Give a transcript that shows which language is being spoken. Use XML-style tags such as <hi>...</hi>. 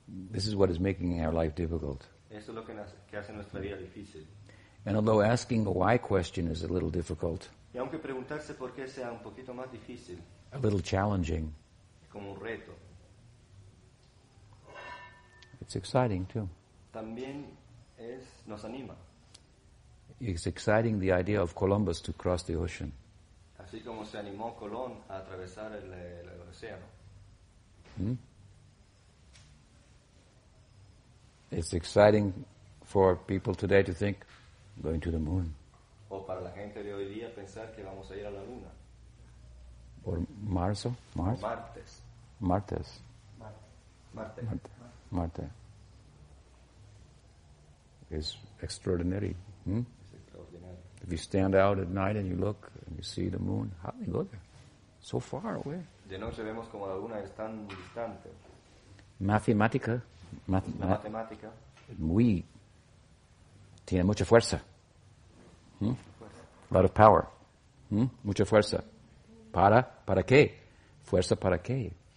<en>This is what is making our life difficult.</en> <es>Eso es lo que hace nuestra vida difícil.</es> <en>And although asking the why question is a little difficult,</en> <es>y aunque preguntarse por qué sea un poquito más difícil,</es> <en>a little challenging,</en> <es>como un reto,</es> <en>it's exciting too.</en> <es>También es, nos anima.</es> <en>It's exciting the idea of Columbus to cross the ocean.</en> <es>Así como se animó Colón a atravesar el océano.</es> <en>It's exciting for people today to think going to the moon.</en> <es>O para la gente de hoy día pensar que vamos a ir a la luna.</es> <en>Or Mars? Mars?</en> <es>Martes. Martes. Martes. Marte.</es> <en>It's extraordinary. It's extraordinary. If you stand out at night and you look and you see the moon, how do you go there? So far away.</en> <es>De noche vemos como la luna es tan distante. Matemática. La matemática. Muy. Tiene mucha fuerza. Fuerza.</es> <en>A lot of power.</en> <es>Mucha fuerza. ¿Para qué? Fuerza para qué.</es>